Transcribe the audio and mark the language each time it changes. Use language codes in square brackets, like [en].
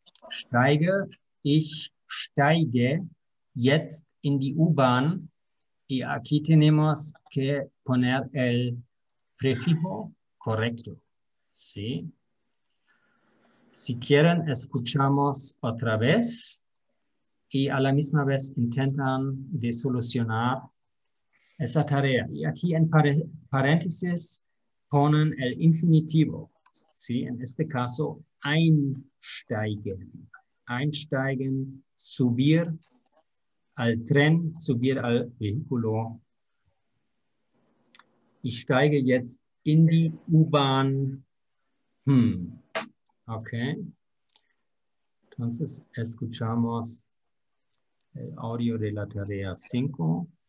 [de] Steige, ich steige jetzt in die U-Bahn. [es] Y aquí tenemos que poner el prefijo correcto. Sí. Si quieren, escuchamos otra vez y a la misma vez intentan de solucionar esa tarea. Y aquí en paréntesis ponen el infinitivo. Sí, en este caso, einsteigen. Einsteigen, subir al tren, subir al vehículo. [de] Ich steige jetzt in die U-Bahn. Okay. [es] Entonces escuchamos el audio de la tarea 5.